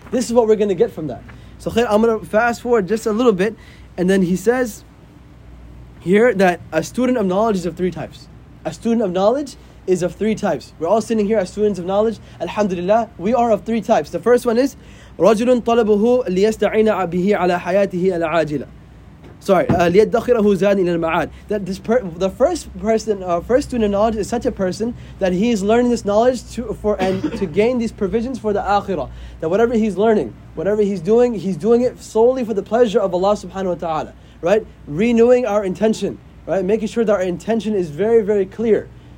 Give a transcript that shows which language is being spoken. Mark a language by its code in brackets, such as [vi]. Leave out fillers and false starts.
[en] This is what we're going to get from that. So khair, I'm going to fast forward just a little bit. And then he says here that a student of knowledge is of three types. A student of knowledge is of three types. We're all sitting here as students of knowledge. Alhamdulillah, we are of three types. The first one is [ar] رجل طلبه ليستعين به على حياته العاجلة. Sorry, لِيَدَّخِرَهُ زَادٍ إِلَى الْمَعَادِ. [en] That this the first person, first student of knowledge is such a person that he is learning this knowledge to gain these provisions for the akhirah. That whatever he's learning, whatever he's doing it solely for the pleasure of Allah subhanahu wa ta'ala. Right? Renewing our intention. Right? Making sure that our intention is very, very clear.